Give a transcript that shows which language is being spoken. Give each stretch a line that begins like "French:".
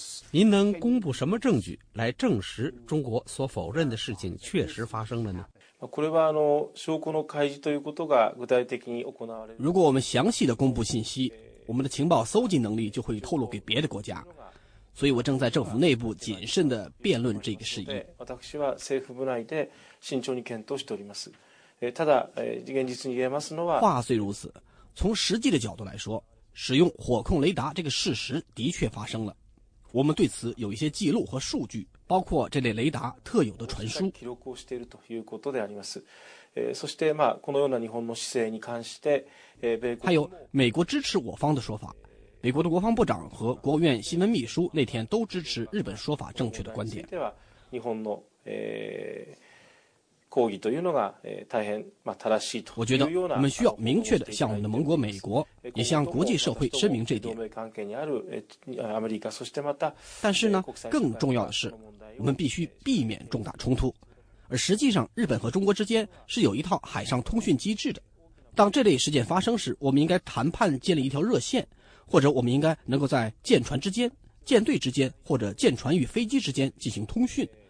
Chinese: 您能公布什么证据来证实中国所否认的事情确实发生了呢？
Japanese: これは証拠の開示ということが具体的に行われる。
Chinese: 如果我们详细的公布信息，我们的情报搜集能力就会透露给别的国家。所以我正在政府内部谨慎地辩论这个事宜。
Japanese: 私は政府部内で慎重に検討しております。ただ、現実に言えますのは。
Chinese: 话虽如此，从实际的角度来说，使用火控雷达这个事实的确发生了。我们对此有一些记录和数据，包括这类雷达特有的传输。
Japanese: 記録をしているということであります。そしてまあこのような日本の姿勢に関して、米国
Chinese: 还有美国支持我方的说法。美国的国防部长和国务院新闻秘书那天都支持日本说法正确的观点。
Japanese: では日本の抗議というのが大変まあ正しいというような。
Chinese: 我觉得我们需要明确的向我们的盟国美国，也向国际社会声明这点。
Japanese: 同盟関係にあるアメリカ、そしてまた。
Chinese: 但是呢，更重要的是，我们必须避免重大冲突。而实际上，日本和中国之间是有一套海上通讯机制的。当这类事件发生时，我们应该谈判建立一条热线，或者我们应该能够在舰船之间、舰队之间或者舰船与飞机之间进行通讯。